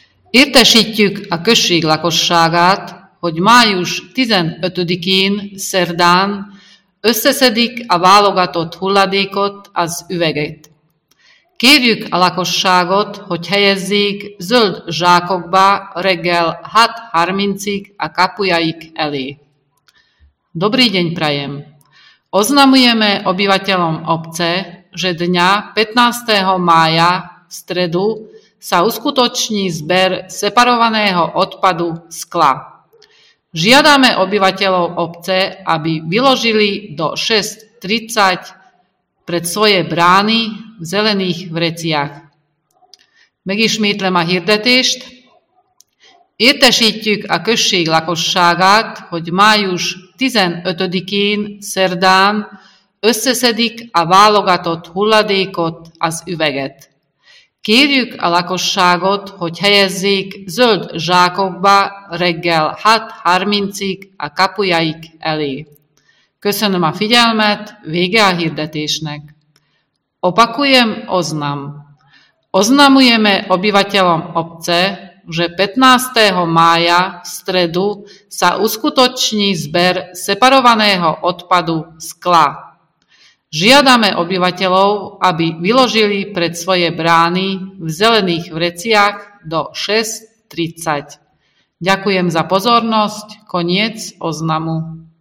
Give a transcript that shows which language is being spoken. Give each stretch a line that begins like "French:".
Hungarian: Értesítjük a község lakosságát, hogy május 15-én, szerdán összeszedik a válogatott hulladékot, az üveget. Kérjük a lakosságot, hogy helyezzék zöld zsákokba reggel 6:30-ig a kapujaik elé.
Slovak: Dobrý deň prajem! Oznamujeme obyvateľom obce, že dňa 15. mája v stredu sa uskutoční zber separovaného odpadu skla. Žiadame obyvateľov obce, aby vyložili do 6:30 pred svoje brány v zelených vreciach.
Hungarian: Megismétlem a hirdetést. Értesítjük a község lakosságát, hogy május 15-én, szerdán összeszedik a válogatott hulladékot, az üveget. Kérjük a lakosságot, hogy helyezzék zöld zsákokba reggel 6:30-ig a kapujaik elé. Köszönöm a figyelmet, vége a hirdetésnek.
Slovak: Opakujem oznam. Oznamujeme obyvateľom obce, že 15. mája v stredu sa uskutoční zber separovaného odpadu skla. Žiadame obyvateľov, aby vyložili pred svoje brány v zelených vreciach do 6:30. Ďakujem za pozornosť. Koniec oznamu.